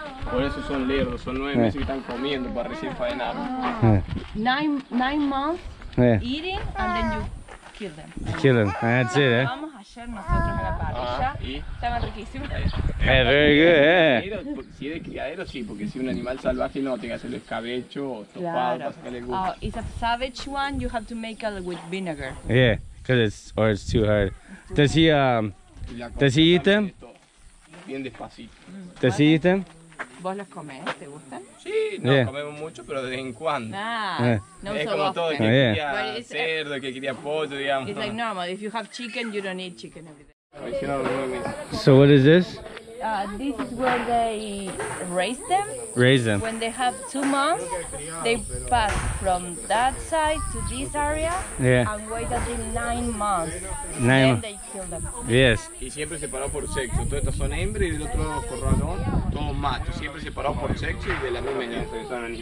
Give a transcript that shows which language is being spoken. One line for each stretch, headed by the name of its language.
Spanish: Por eso son lerdos, son 9 meses que están comiendo para recién faenar.
English: Nine months eating and then you kill them. That's it, eh?
Spanish: Vamos ayer nosotros a la parrilla. Estaban riquísimos.
English: Very good, eh?
Spanish: Si es de criadero, sí, porque si un animal salvaje no, tenga que hacerle escabecho o topado para sacarle gusto.
English: It's a savage one, you have to make it with vinegar. Yeah, because it's too hard. Does he eat them?
Spanish: Bien despacito.
English: Does he eat them?
Spanish: ¿Vos los comés? ¿Te gustan? Sí, no comemos mucho, pero de vez en cuando. No, es como todo, que quería cerdo, que quería pollo, digamos.
English: It's like normal, if you have chicken, you don't eat chicken every day. So what is this? This is where they raise them. Raise them. When they have 2 months, they pass from that side to this area and wait until 9 months. Nine months. Yes.
Spanish: Y siempre separado por sexo. Todos estos son hembras y el otro corralón, todos machos. Siempre separado por sexo y de la misma especie.